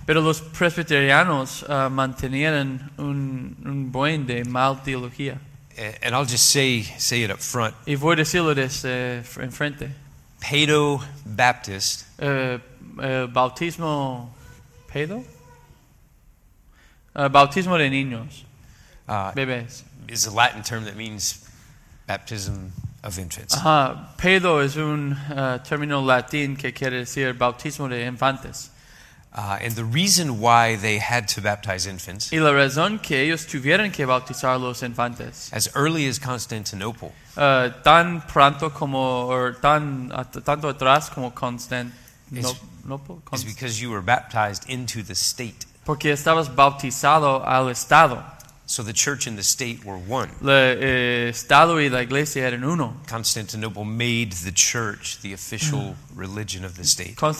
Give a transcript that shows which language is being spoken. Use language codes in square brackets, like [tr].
[es] Pero los presbiterianos mantenían un buen de mal teología. [en] And I'll just say it up front. [es] Y voy a decirlo desde en frente. [en] Pedo Baptist. [es] Bautismo pedo. Bautismo de niños. Bebés. [en] Is a Latin term that means baptism. Of infants. [es] Pedo es un término latín que quiere decir bautismo de infantes. [en] And the reason why they had to baptize infants. [es] Y la razón que ellos tuvieron que bautizar los infantes. [en] As early as Constantinople. [es] Tan pronto como tanto atrás como Constantinople. [en] Is because you were baptized into the state. [es] Porque estabas bautizado al estado. [en] So the church and the state were one. [es] La estado y la iglesia eran uno. [en] Constantinople made the church the official religion of the state.